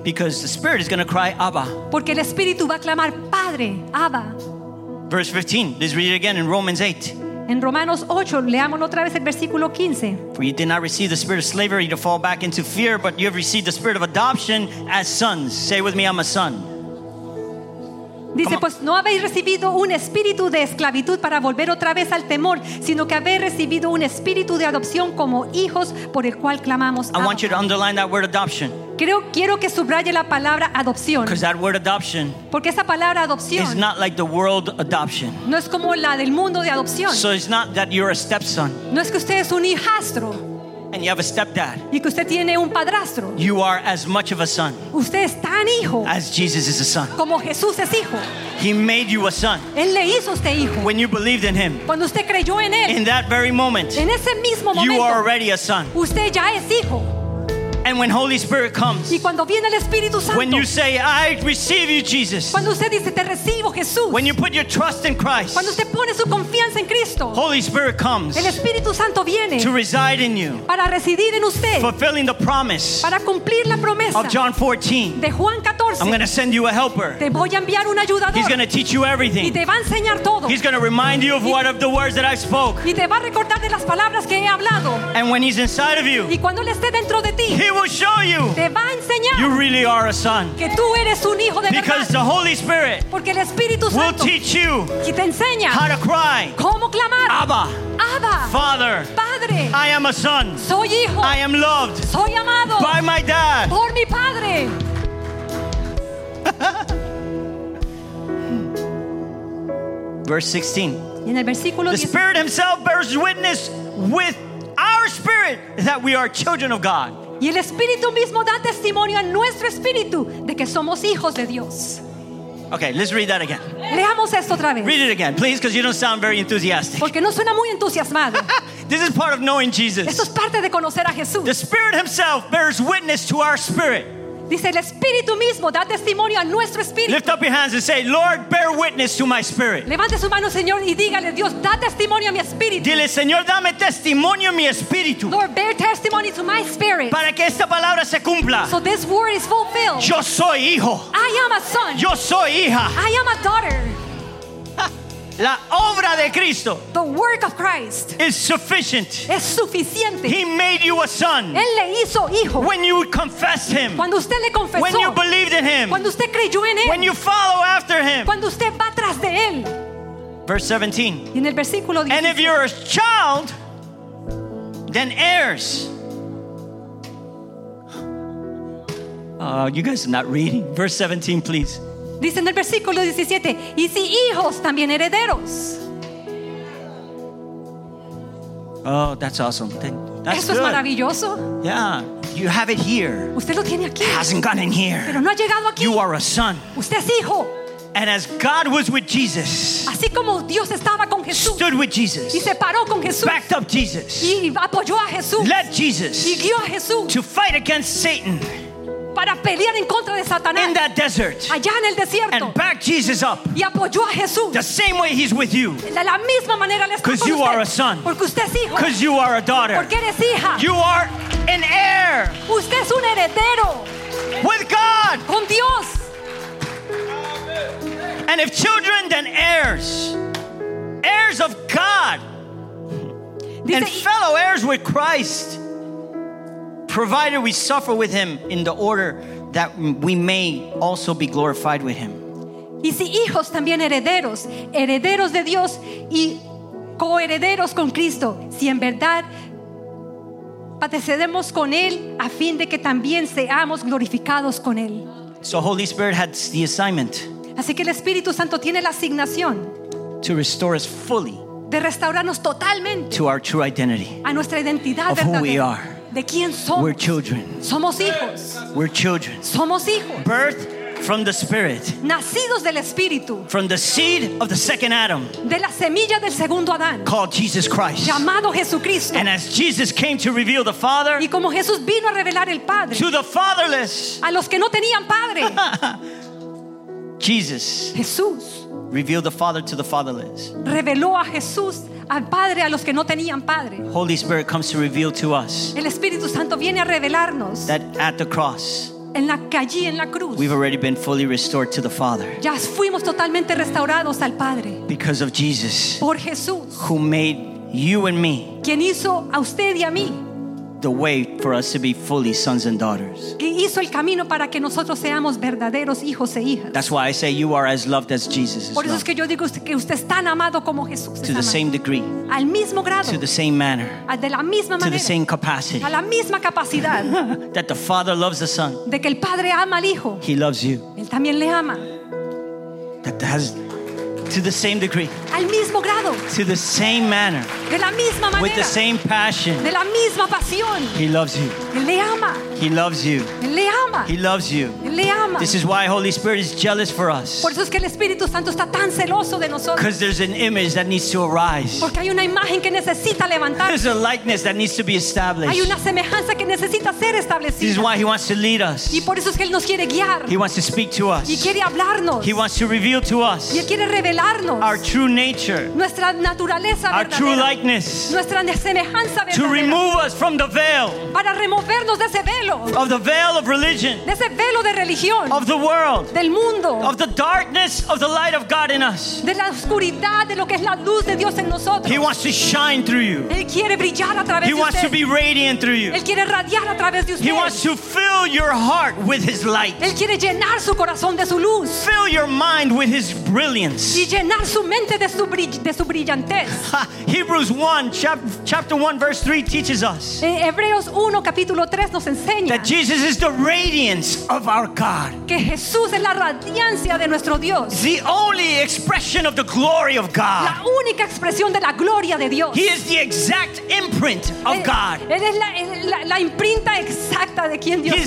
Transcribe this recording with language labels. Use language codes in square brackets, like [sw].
[en] Because the Spirit is going to cry Abba. [es] Porque el Espíritu va a clamar Padre, Abba. [en] Verse 15. Let's read it again in Romans 8. [es] En Romanos 8 leamos otra vez el versículo 15. [en] For you did not receive the spirit of slavery to fall back into fear, but you have received the spirit of adoption as sons. Say with me, I'm a son. [es] Dice, pues no habéis recibido un espíritu de esclavitud para volver otra vez al temor, sino que habéis recibido un espíritu de adopción como hijos por el cual clamamos [en] Abba. I want you to underline that word adoption. [es] Quiero que subraye la palabra adopción. [en] Because that word adoption. [es] Porque esa palabra adopción. [en] Is not like the world adoption. [es] No es como la del mundo de adopción. [en] So it's not that you're a stepson. [es] No es que usted es un hijastro. [en] And you have a stepdad. [es] Y que usted tiene un padrastro. [en] You are as much of a son. [es] Usted es tan hijo. [en] As Jesus is a son. [es] Como Jesús es hijo. [en] He made you a son. [es] Él le hizo usted hijo. [en] When you believed in him. [es] Cuando usted creyó en él. [en] In that very moment. [es] En ese mismo momento. [en] You are already a son. [es] Usted ya es hijo. [en] And when Holy Spirit comes. [es] Y cuando viene el Espíritu Santo. [en] When you say, I receive you, Jesus. [es] Cuando usted dice, te recibo, Jesús. [en] When you put your trust in Christ. [es] Cuando usted pone su confianza en Cristo. [en] Holy Spirit comes. [es] El Espíritu Santo viene. [en] To reside in you. [es] Para residir en usted. [en] Fulfilling the promise. [es] Para cumplir la promesa. [en] Of John 14. [es] De Juan 14. [en] I'm going to send you a helper. [es] Te voy a enviar un ayudador. [en] He's going to teach you everything. [es] Y te va a enseñar todo. [en] He's going to remind you of what of the words that I spoke. [es] Y te va a recordar de las palabras que he hablado. [en] And when he's inside of you. [es] Y cuando él esté dentro de ti. [en] He will show you. [es] Te va a enseñar. [en] You really are a son. [es] Que tú eres un hijo de verdad. [en] Because the Holy Spirit. [es] Porque el Espíritu Santo. [en] Will teach you. [es] Que te enseña. [en] How to cry. [es] Cómo clamar. [en] Abba. [es] Abba. [en] Father. [es] Padre. [en] I am a son. [es] Soy hijo. [en] I am loved. [es] Soy amado. [en] By my dad. [es] Por mi padre. [en] Verse 16. [es] En el versículo 16. [en] The Spirit himself bears witness with our spirit that we are children of God. [es] Y el Espíritu mismo da testimonio a nuestro espíritu de que somos hijos de Dios. [en] Okay, let's read that again. [es] Leamos esto otra vez. [en] Read it again, please, because you don't sound very enthusiastic. [es] Porque no suena muy entusiasmado. [en] This is part of knowing Jesus. [es] Esto es parte de conocer a Jesús. [en] The Spirit himself bears witness to our spirit. [es] Dice, el Espíritu mismo da testimonio a nuestro espíritu. [en] Lift up your hands and say, Lord, bear witness to my spirit. [es] Levante su mano, Señor, y dígale, Dios, da testimonio a mi espíritu. Dile, Señor, dame testimonio a mi espíritu. [en] Lord, bear testimony to my spirit. [es] Para que esta palabra se cumpla. [en] So this word is fulfilled. [es] Yo soy hijo. [en] I am a son. [es] Yo soy hija. [en] I am a daughter. [es] La obra de Cristo. [en] The work of Christ. Is sufficient. [es] Es suficiente. [en] He made you a son. [es] Él le hizo hijo. [en] When you confess him. [es] Cuando usted le confesó. [en] When you believed in him. [es] Cuando usted creyó en él. [en] When you follow after him. [es] Cuando usted va tras de él. [en] Verse 17. [es] Y en el versículo 17. [en] And if you're a child, then heirs. You guys are not reading. Verse 17, please. [es] Dice en el versículo 17, y si hijos también herederos. [en] Oh, that's awesome. That's [es] eso es maravilloso. [en] Yeah, you have it here. [es] Usted lo tiene aquí. [en] It hasn't gotten here. [es] Pero no ha llegado aquí. [en] You are a son. [es] Usted es hijo. [en] And as God was with Jesus, [es] así como Dios estaba con Jesús, [en] stood with Jesus, [es] y se paró con Jesús, [en] backed up Jesus, [es] y apoyó a Jesús, [en] led Jesus, [es] y guió a Jesús, [en] to fight against Satan, [es] para pelear en contra de Satanás, [en] in that desert, [es] allá en el desierto, [en] and backed Jesus up, [es] y apoyó a Jesús, [en] the same way he's with you, [es] de la misma manera le está con usted, [en] because you are a son, [es] porque usted es hijo, [en] because you are a daughter, [es] porque eres hija, [en] you are an heir, [es] usted es un heredero, [en] with God, [es] con Dios. [en] And if children, then heirs, heirs of God, [es] dice, [en] and fellow heirs with Christ, provided we suffer with him in the order that we may also be glorified with him. [es] Y si hijos, también herederos, herederos de Dios y coherederos con Cristo, si en verdad padecemos con él, a fin de que también seamos glorificados con él. [en] So Holy Spirit had the assignment. [es] Así que el Espíritu Santo tiene la asignación [en] to restore us fully, [es] de restaurarnos totalmente, [en] to our true identity, [es] a nuestra identidad [en] of [es] verdadera, [en] who we are, [es] de quién somos. [en] We're children. [es] Somos hijos. [en] We're children. [es] Somos hijos. [en] Birth from the Spirit. [es] Nacidos del Espíritu. [en] From the seed of the second Adam. [es] De la semilla del segundo Adán. [en] Called Jesus Christ. [es] Llamado Jesucristo. [en] And as Jesus came to reveal the Father. [es] Y como Jesús vino a revelar el Padre. [en] To the fatherless. [es] A los que no tenían padre. [en] Jesus, [es] Jesús, [en] revealed the Father to the fatherless. [es] Reveló a Jesús al padre a los que no tenían padre. [en] Holy Spirit comes to reveal to us. [es] El Espíritu Santo viene a revelarnos. [en] That at the cross. [es] En la calle, en la cruz. [en] We've already been fully restored to the Father. [es] Ya fuimos totalmente restaurados al Padre. [en] Because of Jesus. [es] Por Jesús. [en] Who made you and me. [es] Quien hizo a usted y a mí. [en] The way for us to be fully sons and daughters. [es] Que hizo el camino para que nosotros seamos verdaderos hijos e hijas. [en] That's why I say you are as loved as Jesus is. [es] Por eso es que yo digo que usted es tan amado como Jesús. [en] To the same degree. [es] Al mismo grado. [en] To the same manner. [es] De la misma manera. [en] To the same capacity. [es] A la misma capacidad. [en] That the Father loves the Son. [es] De que el Padre ama al Hijo. [en] He loves you. [es] Él también le ama. [en] That has to the same degree. [es] Al mismo grado. [en] To the same manner. [es] De la misma manera. [en] With the same passion. [es] De la misma pasión. [en] He loves you. [es] Él le ama. [en] He loves you. [es] Él le ama. [en] He loves you. [es] Él le ama. [en] This is why Holy Spirit is jealous for us. [es] Por eso es que el Espíritu Santo está tan celoso de nosotros. [en] Because there's an image that needs to arise. [es] Porque hay una imagen que necesita levantarse. [en] There's a likeness that needs to be established. [es] Hay una semejanza que necesita ser establecida. [en] This is why he wants to lead us. [es] Y por eso es que él nos quiere guiar. [en] He wants to speak to us. [es] Y quiere hablarnos. [en] He wants to reveal to us. [es] Y él quiere revelarnos. [en] Our true nature. [es] Nuestra naturaleza verdadera. [en] Our true likeness. [es] Nuestra semejanza verdadera. [en] To remove us from the veil. [es] Para removernos de ese velo. [en] Of the veil of religion, [es] de ese velo de religión, [en] of the world, [es] del mundo, [en] of the darkness of the light of God in us, [es] de la oscuridad de lo que es la luz de Dios en nosotros. [en] He wants to shine through you. [es] Él quiere brillar a través de usted. [en] He wants to be radiant through you. [es] Él quiere radiar a través de usted. [en] He wants to fill your heart with his light. [es] Él quiere llenar su corazón de su luz. [en] Fill your mind with his brilliance. [es] Y llenar su mente de su brillantez. [en] Hebrews 1 chapter 1 verse 3 teaches us. [es] Hebreos 1 capítulo 3 nos enseña [en] that Jesus is the radiance of our God. [es] Que Jesús es la radiancia de nuestro Dios. [en] The only expression of the glory of God. [es] La única expresión de la gloria de Dios. [en] He is the exact imprint of God. [es] Él es la imprenta exacta de quien Dios es.